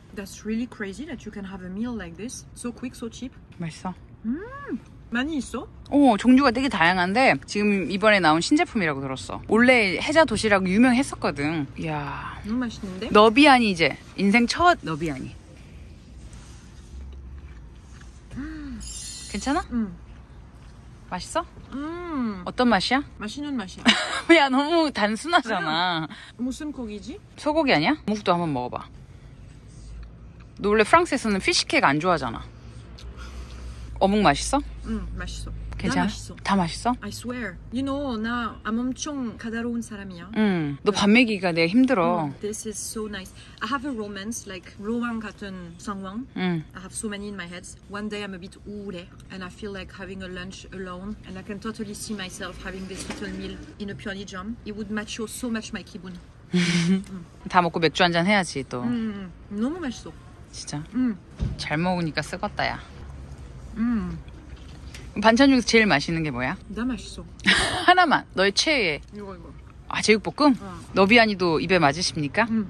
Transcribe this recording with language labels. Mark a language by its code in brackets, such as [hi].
[en] That's really crazy that you can have a meal like this so quick, so cheap. [ko] 맛있어. 많이 있어? 종류가 되게 다양한데 지금 이번에 나온 신제품이라고 들었어. 원래 해자 도시락 유명했었거든. 이야. 너무 맛있는데? 너비안이 이제 인생 첫 너비안이. 괜찮아? 맛있어? 어떤 맛이야? 맛있는 맛이야. 야, 너무 단순하잖아. 무슨 고기지? 소고기 아니야? 무국도 한번 먹어봐. 너 원래 프랑스에서는 피시케가 안 좋아하잖아. 어묵 맛있어? 응, 맛있어. 괜찮아? 다 맛있어. 다 맛있어? [en] I swear. You know, [ko] 나 엄청 가다로운 사람이야. 응. 너 밥 먹이기가 내가 힘들어. [en] This is so nice. I have a romance, like [ko] 로망 같은 상황. 응. [en] I have so many in my head. One day I'm a bit [ko] 우울해. [en] And I feel like having a lunch alone. And I can totally see myself having this little meal in a peony jam. It would match so much my [ko] 기분. 다 먹고 맥주 한잔 해야지, 또. 응. 너무 맛있어. 진짜? 응. 잘 먹으니까 쓰겄다, 야. 음, 반찬 중에서 제일 맛있는 게 뭐야? 나 맛있어. 하나만, 너의 최애. 이거. 아, 제육볶음? 어. 너비아니도 입에 맞으십니까?